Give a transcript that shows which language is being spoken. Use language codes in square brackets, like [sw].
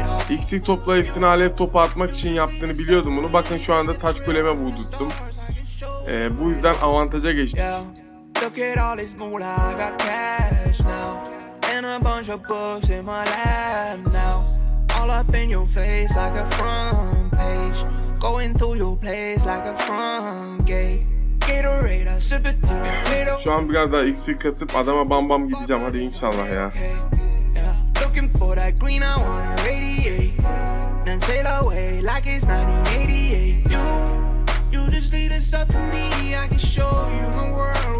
[tr] X'lik topla üstüne alev topu atmak için yaptığını biliyordum bunu. Bakın şu anda taç kuleme vurdurttum. Bu yüzden avantaja geçtim. [en] Look at all this moolah, I got cash now. And a bunch of books in my lap now. All up in your face like a front page. Going through your place like a front gate. Gatorade, I sip it to the potato. [tr] Şu an biraz daha X'i katıp adama bam bam gideceğim, hadi inşallah ya. [en] Looking for that green, I wanna radiate. Then sail away like it's 1988. You just lead us up to me, I can show you the world.